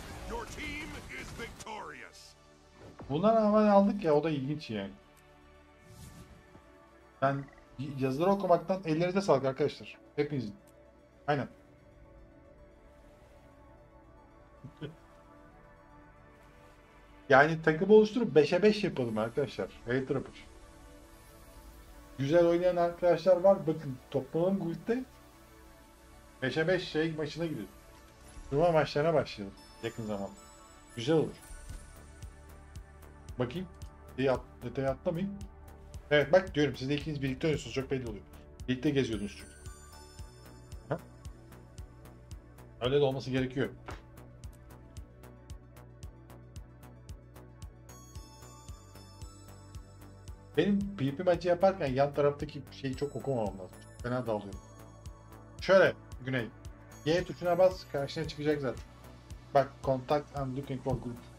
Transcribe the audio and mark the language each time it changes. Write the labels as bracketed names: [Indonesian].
[English] Your team is victorious. [Turkish] Bunlar hemen aldık ya, o da ilginç yani. Ben yazıları okumaktan ellerinize sağlık arkadaşlar. Hepinizin. Aynen. Yani takım oluşturup 5'e 5 yapalım arkadaşlar. Hey Trapper. Güzel oynayan arkadaşlar var. Bakın toplanalım guildde. 5'e 5 şey maçına gidelim. Turnuva maçlarına başlayalım. Yakın zaman. Güzel olur. Bakayım. Detayı atlamayayım. Evet bak diyorum, siz de ikiniz birlikte oynuyorsunuz, çok belli oluyor. Birlikte geziyordunuz çünkü. Ha? Öyle de olması gerekiyor. Benim PvP maçı yaparken yan taraftaki şeyi çok okumamam lazım. Çok fena dalıyorum. Şöyle Güney. Y tuşuna bas, karşına çıkacak zaten. Bak [English] contact and looking for group.